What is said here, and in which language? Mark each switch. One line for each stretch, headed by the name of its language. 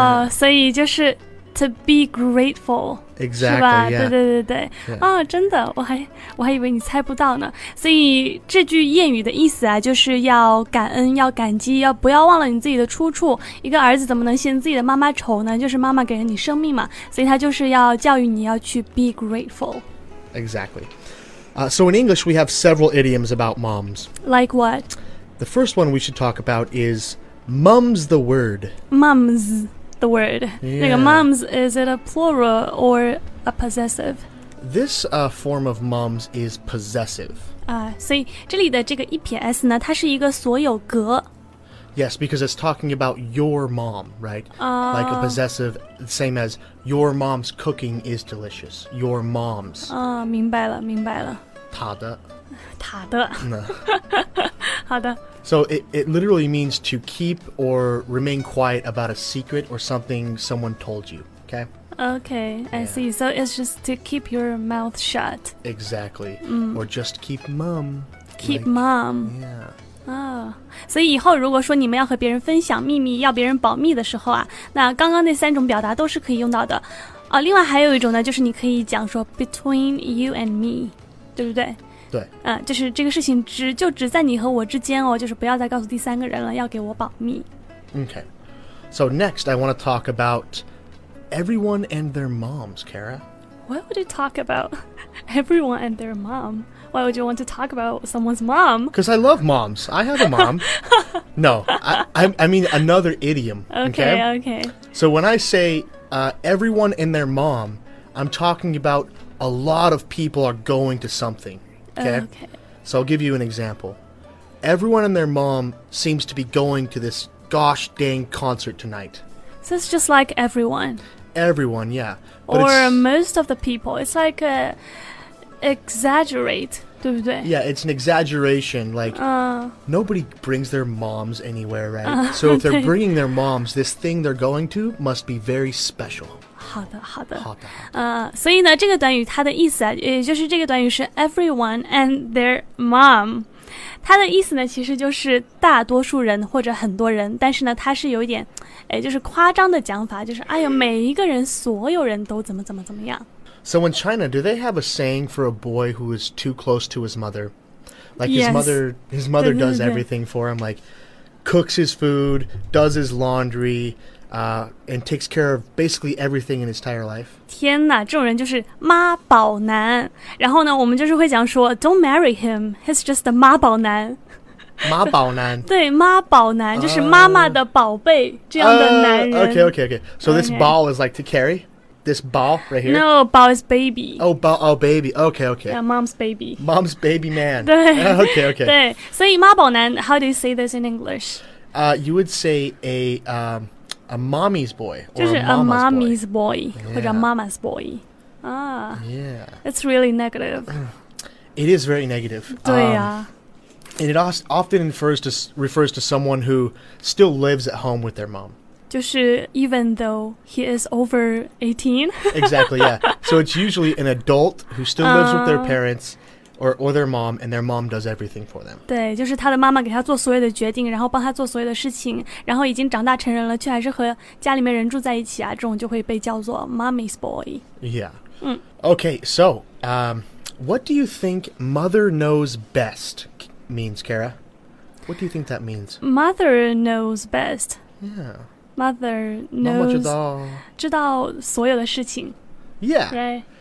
English: So it's just to be grateful. Exactly. Yeah.
Chinese: 对对对对。啊、
English: yeah.
Chinese: oh, ，真的，我还以为你猜不到呢。所以这句谚语的意思啊，就是要感恩，要感激，要不要忘了你自己的出处。一个儿子怎么能嫌自己的妈妈丑呢？就是妈妈给了你生命嘛，所以他就是要教育你要去
English: be grateful. Exactly. So in English, we have several idioms about moms. Like what? The first one we should talk about is mum's the word. Mum's the word. Yeah.
Chinese: 那个
English: mum's, is it a plural or a possessive? This form of mum's is possessive.
Chinese: 所以这里的这个一撇 s 呢，它是一个所有格。
English: Yes, because it's talking about your mom, right? Like a possessive, same as your mom's cooking is delicious. Your mom's.
Chinese: 明白了。他的。
English: No.
Chinese: 好的
English: So it literally means to keep or remain quiet about a secret or something someone told you, okay? Okay, I see. So it's just to keep your mouth shut. Exactly. Or just keep mum. Keep mum. Yeah.
Chinese: 所以以后如果说你们要和别人分享秘密，要别人保密的时候啊，那刚刚那三种表达都是可以用到的。另外还有一种呢，就是你可以讲说
English: between you and me,
Chinese: 对不对？对，就是这个事情只在你和我之间哦，就是不要再告诉第三个人了，要给我保密。
English: Okay, so next I want to talk about everyone and their moms, Kara. Why would you talk about everyone and their mom? Why would you want to talk about someone's mom? Because I love moms. I have a mom. No, I mean another idiom. Okay. So when I say everyone and their mom, I'm talking about a lot of people are going to something. Okay. So I'll give you an example. Everyone and their mom seems to be going to this gosh dang concert tonight. So it's just like everyone. Everyone, yeah. Or most of the people. It's like an exaggerate,
Chinese: 对不对?
English: Yeah, it's an exaggeration. Like, nobody brings their moms anywhere, right? So if they're bringing their moms, this thing they're going to must be very special.
Chinese: 好的。所以呢，这个短语它的意思啊，也就是这个短语是
English: everyone and their mom，
Chinese: 它的意思呢其实就是大多数人或者很多人，但是呢它是有一点，就是夸张的讲法，就是哎呦每一个人所有人都怎么样。
English: So in China, do they have a saying for a boy who is too close to his mother? Like his mother does everything for him, like cooks his food, does his laundry. And takes care of basically everything in his entire life.
Chinese: 天哪，这种人就是妈宝男。然后呢，我们就是会讲说 ，
English: Don't marry him. He's just a
Chinese: 妈宝男。妈宝男。对，妈宝男就是妈妈的宝贝这样的男人。
English: Okay. So this ball is like to carry this ball right here. No, ball is baby. Oh, baby. Okay. Yeah, mom's baby. Mom's baby man.
Chinese: 对。
English: Okay.
Chinese: 对，所以妈宝男 ，
English: How do you say this in English? You would say a mommy's boy, or
Chinese: 就是
English: a mommy's boy、 yeah.
Chinese: 或者
English: mama's boy. Yeah. It's really negative. It is very negative.
Chinese: 对呀、
English: And it often refers to someone who still lives at home with their mom.
Chinese: 就是
English: even though he is over 18? Exactly, yeah. So it's usually an adult who still lives with their parents or their mom, and their mom does everything for them.
Chinese: 对，就是他的妈妈给他做所有的决定，然后帮他做所有的事情，然后已经长大成人了，却还是和家里面人住在一起啊，这种就会被叫做
English: mommy's boy. Yeah. Okay, so, what do you think mother knows best means, Kara? What do you think that means? Mother knows best. Yeah. Mother knows...
Chinese: 妈妈知道所有的事情。
English: Yeah. Right.